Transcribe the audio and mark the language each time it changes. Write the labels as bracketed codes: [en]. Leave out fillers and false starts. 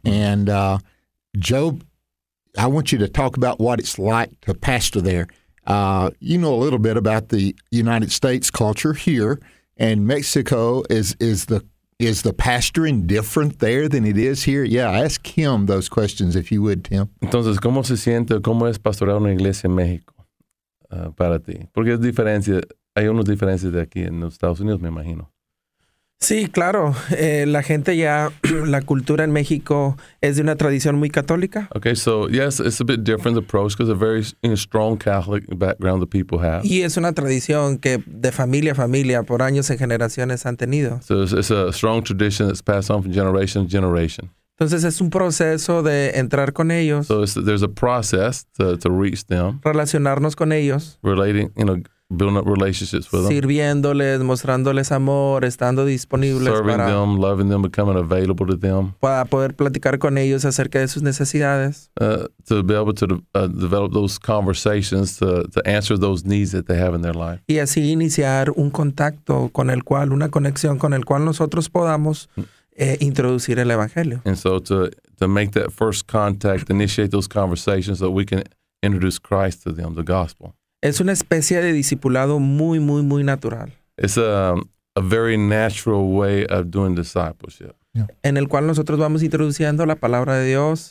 [en] And Job, I want you to talk about what it's like to pastor there. You know a little bit about the United States culture here. And Mexico, is the pastoring different there than it is here? Yeah, ask him those questions if you would, Tim. [es] Entonces, ¿cómo se siente, cómo es pastorear una iglesia en México para ti? Porque es diferencia, hay unas diferencias de aquí en los Estados Unidos, me imagino. Sí, claro. La gente ya, la cultura en México es de una tradición muy católica. [en] Okay, so yes, it's a bit different approach because a very strong Catholic background the people have. [es] Y es una tradición que de familia a familia por años y generaciones han tenido. [en] So it's a strong tradition that's passed on from generation to generation. [es] Entonces es un proceso de entrar con ellos. [en] So there's a process to reach them. [es] Relacionarnos con ellos. [en] Relating, you know. Building up relationships with them. [es] Sirviéndoles, mostrándoles amor, estando disponibles [en] serving [es] para... [en] Serving them, loving them, becoming available to them. [es] Para poder platicar con ellos acerca de sus necesidades. [en] To be able to develop those conversations, to answer those needs that they have in their life. [es] Y así iniciar un contacto con el cual, una conexión con el cual nosotros podamos introducir el evangelio. [en] And so to make that first contact, initiate those conversations so that we can introduce Christ to them, the gospel. [es] Es una especie de discipulado muy, muy, muy natural. [en] It's a very natural way of doing discipleship. Yeah. [es] En el cual nosotros vamos introduciendo la palabra de Dios.